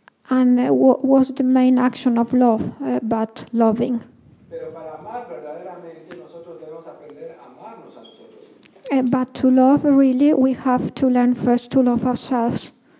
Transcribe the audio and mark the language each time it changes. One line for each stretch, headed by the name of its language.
English: And what was the main action of love, but loving?
Spanish: Pero para amar verdaderamente, nosotros debemos aprender a amarnos a nosotros.
English: But to love, really, we have to learn first to love ourselves.